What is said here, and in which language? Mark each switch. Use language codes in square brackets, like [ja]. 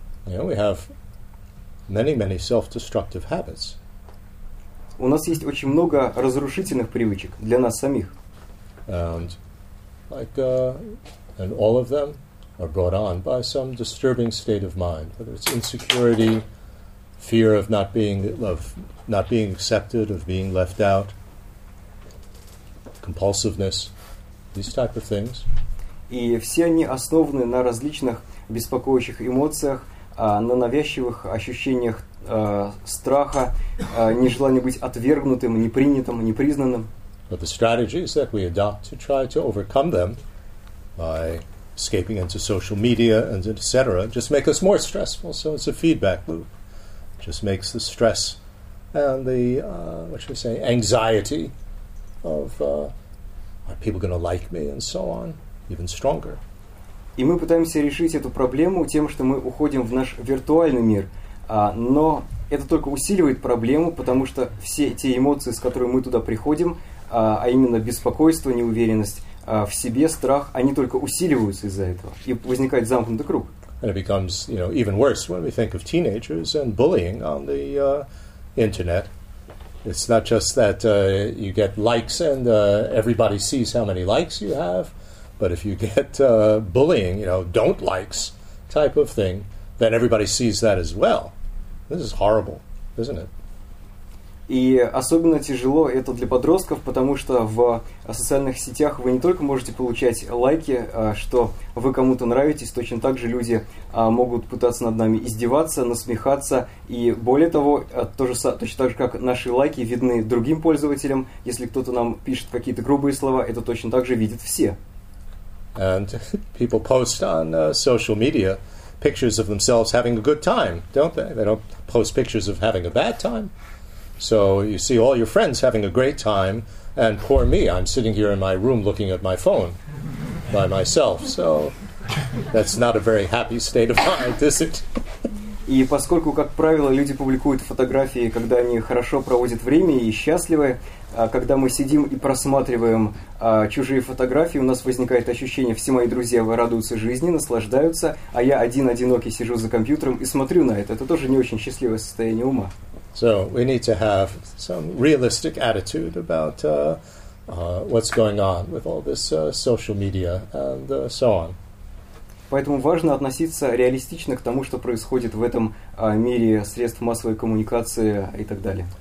[en] Yeah, we have many, many self-destructive habits. [ru] У нас есть очень много разрушительных привычек для нас самих. [en] And, and all of them are brought on by some disturbing state of mind, whether it's insecurity, fear of not being accepted, of being left out, compulsiveness, these type of things. [ru] И все они основаны на различных беспокоящих эмоциях, на навязчивых ощущениях страха, нежелания быть отвергнутым, непринятым, непризнанным. [en] But the strategies that we adopt to try to overcome them by escaping into social media and etc. just make us more stressful. So it's a feedback loop. Just makes the stress and the anxiety of are people going to like me and so on even stronger. [ru] И мы пытаемся решить эту проблему тем, что мы уходим в наш виртуальный мир, но это только усиливает проблему, потому что все те эмоции, с которыми мы туда приходим, а именно беспокойство, неуверенность в себе, страх, они только усиливаются из-за этого, и возникает замкнутый круг. [en] And it becomes, you know, even worse when we think of teenagers and bullying on the internet. It's not just that you get likes and everybody sees how many likes you have, but if you get bullying, you know, don't likes type of thing, then everybody sees that as well. This is horrible, isn't it? [ru] И особенно тяжело это для подростков, потому что в социальных сетях вы не только можете получать лайки, что вы кому-то нравитесь, точно так же люди могут пытаться над нами издеваться, насмехаться, и более того, точно так же, как наши лайки видны другим пользователям, если кто-то нам пишет какие-то грубые слова, это точно так же видят все. [en] And people post on social media pictures of themselves having a good time, don't they? They don't post pictures of having a bad time. So you see all your friends having a great time, and poor me, I'm sitting here in my room looking at my phone by myself. So that's not a very happy state of mind, is it? [ru] И поскольку, как правило, люди публикуют фотографии, когда они хорошо проводят время и счастливы, когда мы сидим и просматриваем чужие фотографии, у нас возникает ощущение, все мои друзья радуются жизни, наслаждаются, а я один одинокий сижу за компьютером и смотрю на это. Это тоже не очень счастливое состояние ума. [en] So we need to have some realistic attitude about what's going on with all this social media and so on. [ru] Поэтому важно относиться реалистично к тому, что происходит в этом мире средств массовой коммуникации и так далее.